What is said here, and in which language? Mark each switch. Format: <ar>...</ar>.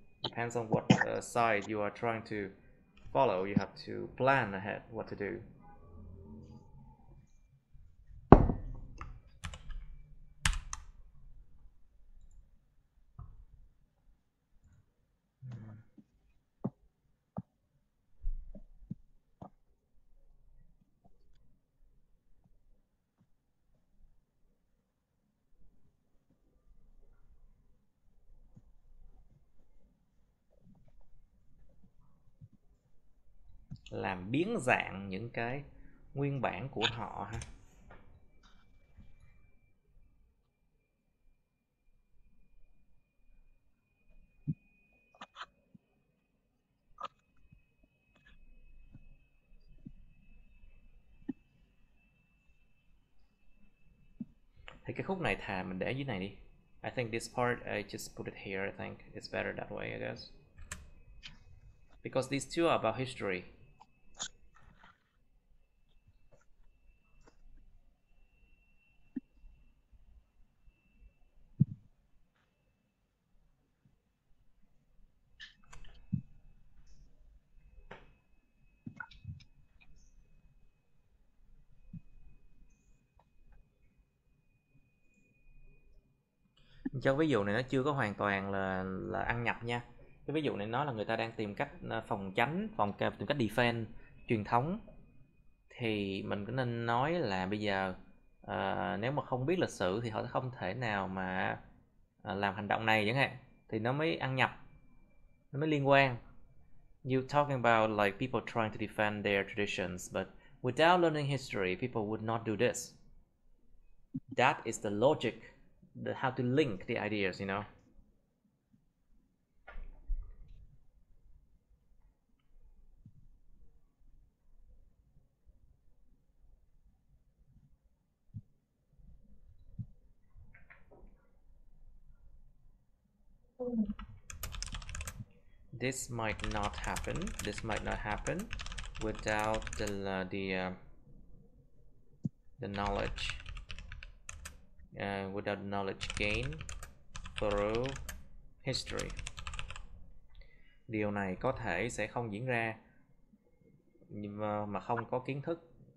<en>Depends on what side you are trying to follow, you have to plan ahead what to do.</en> <vi>Làm biến dạng những cái nguyên bản của họ ha. Thì cái khúc này thà mình để dưới này đi.</vi> <en>I think this part I just put it here. I think it's better that way, I guess. Because these two are about history.</en> <vi>Cho ví dụ này nó chưa có hoàn toàn là ăn nhập nha. Cái ví dụ này nói là người ta đang tìm cách phòng tránh, phòng tìm cách defend truyền thống, thì mình có nên nói là bây giờ nếu mà không biết lịch sử thì họ sẽ không thể nào mà làm hành động này chẳng hạn, thì nó mới ăn nhập, nó mới liên quan.</vi> <en>You talking about like people trying to defend their traditions, but without learning history, people would not do this. That is the logic, the how to link the ideas, you know. This might not happen. This might not happen without the knowledge, without knowledge gained through history.</en> <vi>Điều này có thể sẽ không diễn ra nhưng mà không có kiến thức.</vi>